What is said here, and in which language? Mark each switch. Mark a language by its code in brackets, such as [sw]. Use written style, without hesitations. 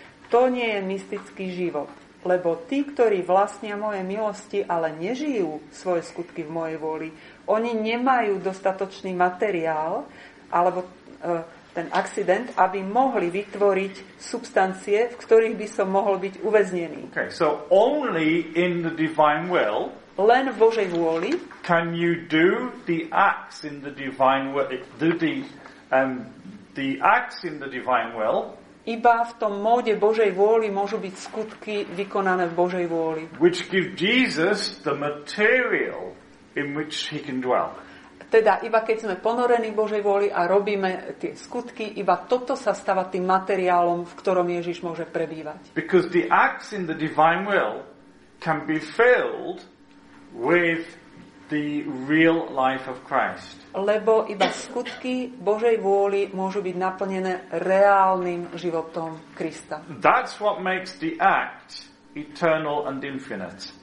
[sk] To nie je mystický život, lebo tí, ktorí vlastnia moje milosti, ale nežijú svoje skutky v mojej vôli, oni nemajú dostatočný materiál, alebo ten accident, aby mohli vytvoriť substancie, v ktorých by som mohol byť uväznený. [en] Okay, so only in the divine will, [sk] len v Božej vôli, [en] can you do the acts in the divine will, the acts in the divine will, [sk] iba v tom móde Božej vôli môžu byť skutky vykonané v Božej vôli, [en] which give Jesus the material in which he can dwell. [sk] Teda iba keď sme ponorení Božej vôli a robíme tie skutky, iba toto sa stáva tým materiálom, v ktorom Ježiš môže prebývať. [en] Because the acts in the divine will can be filled with the real life of Christ. [sk] Lebo iba skutky Božej vôli môžu byť naplnené reálnym životom Krista. [en] That's what makes the act eternal and infinite.